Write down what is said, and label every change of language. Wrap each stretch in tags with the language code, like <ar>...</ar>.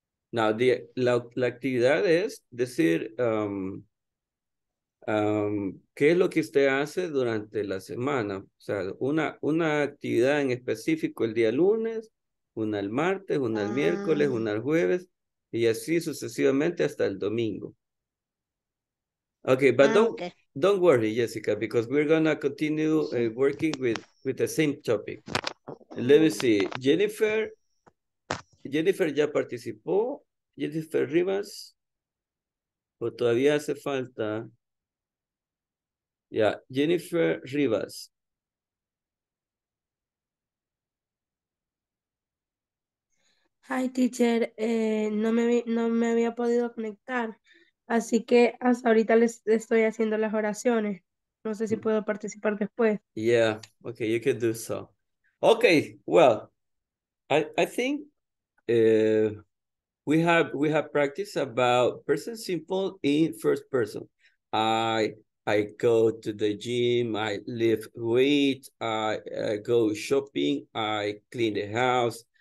<es>Now, la actividad es decir qué es lo que usted hace durante la semana. O sea, una actividad en específico el día lunes, una el martes, una el miércoles, una el jueves, y así sucesivamente hasta el domingo.</es> <en>Okay, but don't worry, Jessica, because we're gonna continue working with the same topic. Let me see. Jennifer</en> <es>ya participó. Jennifer Rivas. O todavía hace falta.</es> <en>Yeah, Jennifer Rivas. Hi, teacher.</en> <es>No me había podido conectar. Así que hasta ahorita les estoy haciendo las oraciones. No sé si puedo participar después.</es> <en>Yeah, okay, you can do so. Okay, well, I think we have practiced about present simple in first person. I go to the gym, I lift weight, I go shopping, I clean the house.</en>